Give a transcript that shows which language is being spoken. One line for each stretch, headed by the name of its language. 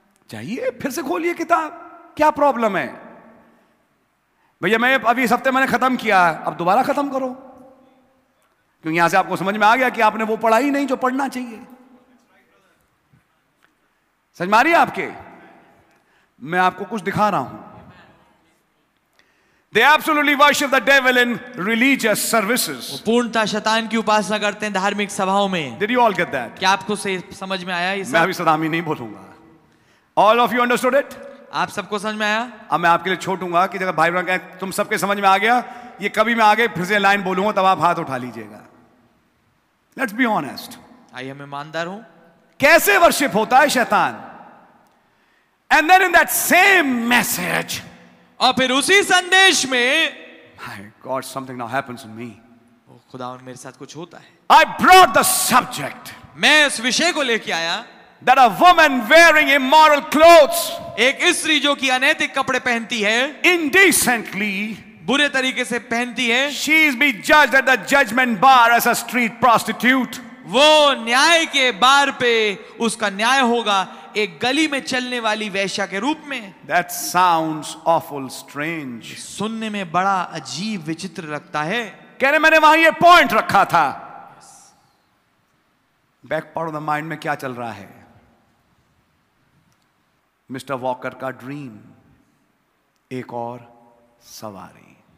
Hindi: जाइए फिर से खोलिए किताब, क्या प्रॉब्लम है भैया? मैं अभी इस हफ्ते मैंने खत्म किया, अब दोबारा खत्म करो, क्योंकि यहां से आपको समझ में आ गया कि आपने वो पढ़ा ही नहीं जो पढ़ना चाहिए। समझ में आ रही है आपके? मैं आपको कुछ दिखा रहा हूं।
English: They absolutely worship the devil in religious services.
Hindi: पूर्णतः शैतान की उपासना करते हैं धार्मिक सभाओं में.
English: Did you all get that?
Hindi: क्या आपको समझ में आया? मैं अभी सदामी नहीं बोलूंगा.
English: All of you understood it?
Hindi: आप सबको समझ में आया? अब मैं आपके लिए छोड़ूंगा कि जगह भाई कहें तुम सबके समझ में आ गया, ये कभी मैं आगे फिर से लाइन बोलूंगा तब आप हाथ उठा लीजिएगा.
English: Let's be honest.
Hindi: आइए मैं ईमानदार हूं. कैसे वर्शिप होता है शैतान?
English: And then in that same message,
Hindi: और फिर उसी संदेश में,
English: my God, something now happens to me.
Hindi: खुदा और मेरे साथ कुछ होता है.
English: I brought the subject.
Hindi: मैं इस विषय को लेके आया.
English: That a woman wearing immoral clothes,
Hindi: एक स्त्री जो कि अनैतिक कपड़े पहनती है,
English: indecently,
Hindi: बुरे तरीके से पहनती है,
English: she is being judged at the judgment bar as a street prostitute.
Hindi: वो न्याय के बार पे उसका न्याय होगा एक गली में चलने वाली वेश्या के रूप में.
English: That sounds awful strange.
Hindi: सुनने में बड़ा अजीब विचित्र लगता है. कह रहे मैंने वहां ये पॉइंट रखा था.
English: back part of the mind
Hindi: में क्या चल रहा है? मिस्टर वॉकर का ड्रीम, एक और सवारी.